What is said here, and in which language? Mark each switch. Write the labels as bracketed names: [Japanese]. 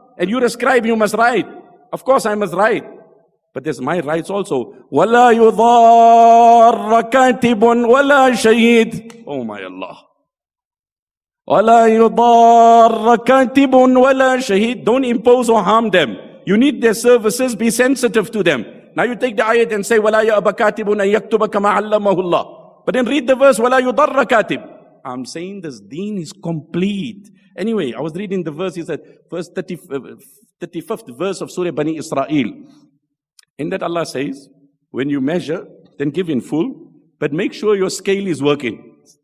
[English] And you're a scribe, you must write. Of course I must write. But there's my rights also. [Arabic] وَلَا يُضَارَّ كَاتِبٌ وَلَا شَيِّدٌ. [English] Oh my Allah. [Arabic] وَلَا يُضَارَّ كَاتِبٌ وَلَا شَيِّدٌ. [English] Don't impose or harm them. You need their services, be sensitive to them. Now you take the ayat and say, [Arabic] وَلَا يَأْبَ كَاتِبٌ أَن يَكْتُبَ كَمَا عَلَّمَهُ اللَّهُ. [English] But then read the verse, [Arabic] وَلَا يُضَارَّ كَاتِبٌ. [English] I'm saying this deen is complete. Anyway, I was reading the verse, he said, verse 35th verse of Surah Bani Israel. In that Allah says, when you measure, then give in full, but make sure your scale is working.